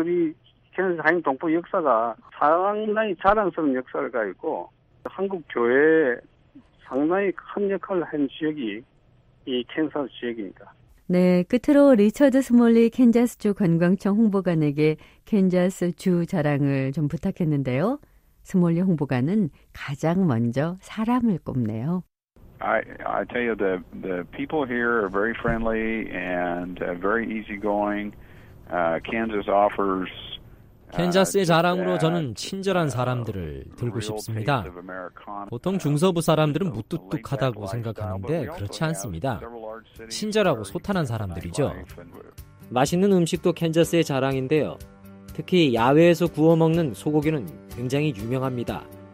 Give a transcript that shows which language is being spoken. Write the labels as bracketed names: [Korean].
[Korean] 그래서 이 캔자스 한인 동포 역사가 상당히 자랑스러운 역사가 있고 한국 교회에 상당히 큰 역할을 한 지역이 이 캔자스 지역입니다. 네, 끝으로 리처드 스몰리 캔자스주 관광청 홍보관에게 캔자스 주 자랑을 좀 부탁했는데요. 스몰리 홍보관은 가장 먼저 사람을 꼽네요. [English] I tell you the people here are very friendly and very easygoing. Kansas offers. [Korean] 캔자스의 자랑으로 저는 친절한 사람들을 들고 싶습니다. 보통 중서부 사람들은 무뚝뚝하다고 생각하는데 그렇지 않습니다. 친절하고 소탄한 사람들이죠. 맛있는 음식도 캔자스의 자랑인데요. 특히 야외에서 구워먹는 소고기는 굉장히 유명합니다.